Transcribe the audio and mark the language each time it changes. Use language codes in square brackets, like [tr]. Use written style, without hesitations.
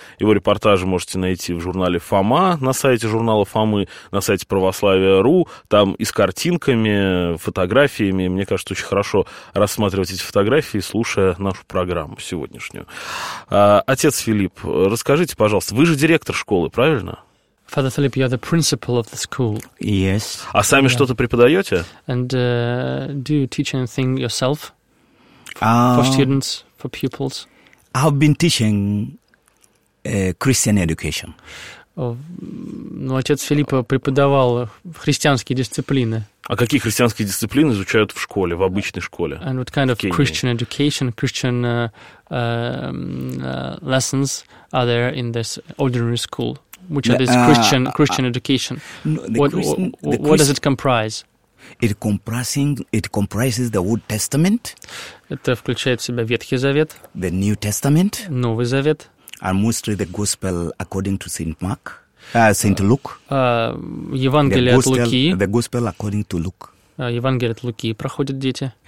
[ru] Его репортажи можете найти в журнале «Фома», на сайте журнала «Фомы», на сайте православия.ру. Там и с картинками, фотографиями. Мне кажется, очень хорошо рассматривать эти фотографии, слушая нашу программу сегодняшнюю. Отец Филипп, расскажите, пожалуйста, вы же директор школы, правильно? [en] Father Philip, you are the principal of the school. Yes. [ru] А сами что-то преподаете? [en] And do you teach anything yourself? For students, for pupils? I've been teaching Christian education. [ru] Ну, отец Филипп преподавал христианские дисциплины. А какие христианские дисциплины изучают в школе, в обычной школе? [en] And what kind of Christian education, Christian lessons are there in this ordinary school? Which are this Christian education? What does it comprise? It comprises the Old Testament. [ru] Это включает в себя Ветхий Завет. [en] The New Testament. [ru] Новый Завет. [en] And mostly the Gospel according to Saint Mark. Saint Luke. [ru] Евангелие от Луки. [en] The Gospel according to Luke. [ru] Евангелие от Луки проходят дети.